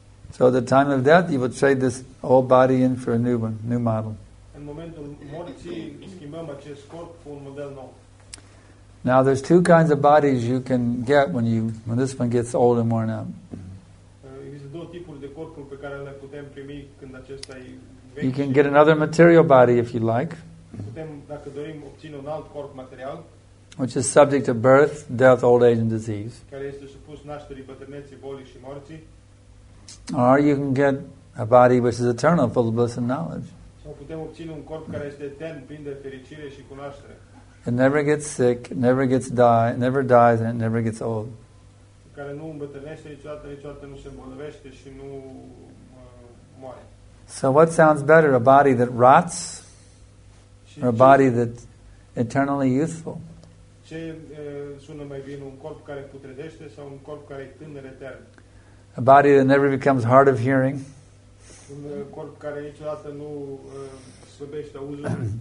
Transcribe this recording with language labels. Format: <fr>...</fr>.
<en>So at the time of death, you would trade this old body in for a new one, new model.</en> <ro>În momentul morții, schimbăm acest corp cu un model nou.</ro> <en>Now there's two kinds of bodies you can get when this one gets old and worn out.</en> <ro>Există două tipuri de corpuri pe care le putem primi când acesta e vechi.</ro> <en>You can get another material body if you like.</en> <ro>Putem, dacă dorim, obține un alt corp material.</ro> <en>Which is subject to birth, death, old age and disease.</en> <ro>Care este supus nașterii, bătrâneții, bolii și morții.</ro> <en>Or you can get a body which is eternal, full of bliss and knowledge.</en> <ro>Sau putem obține un corp care este etern, plin de fericire și cunoaștere.</ro> <en>It never gets sick, never dies, and it never gets old.</en> <ro>Care nu îmbătrânește niciodată, niciodată nu se îmbolnăvește și nu moare.</ro> <en>So what sounds better, a body that rots, or a body that's eternally youthful?</en> <ro>Ce sună mai bine, un corp care putrezește sau un corp care e tânăr etern?</ro> <en>A body that never becomes hard of hearing.</en> <ro>Un corp care niciodată nu slăbește auzul.</ro>